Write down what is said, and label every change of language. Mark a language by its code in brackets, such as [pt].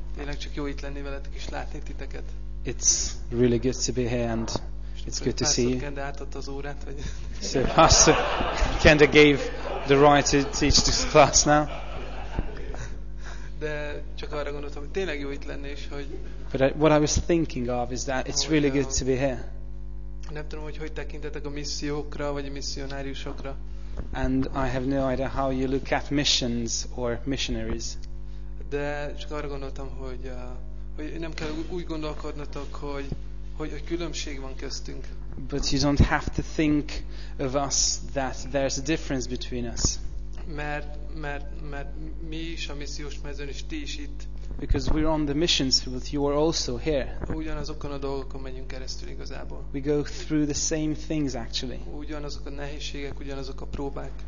[hu] Tényleg csak jó itt lenni veletek és látni titeket. [en] It's really good to be here and it's good to see you. [hu] Kende átadta az órát, vagy... [en] So Pastor Kende gave the right to teach this class now. [hu] De csak arra gondoltam, hogy tényleg jó itt lenni, és hogy... [en] But what I was thinking of is that it's really good to be here. [hu] Nem tudom, hogy tekintetek a missziókra, vagy a misszionáriusokra. [en] And I have no idea how you look at missions or missionaries. [hu] De csak arra gondoltam, hogy, hogy nem kell úgy gondolkodnatok, hogy... hogy a különbség van köztünk. [en] But you don't have to think of us that there's a difference between us. [hu] Mert mi is a missziós mezőn és ti is itt. [en] Because we're on the missions field, you are also here. [hu] Ugyanazokon a dolgokon megyünk keresztül igazából. [en] We go through the same things actually. [hu] Ugyanazok a nehézségek, ugyanazok a próbák.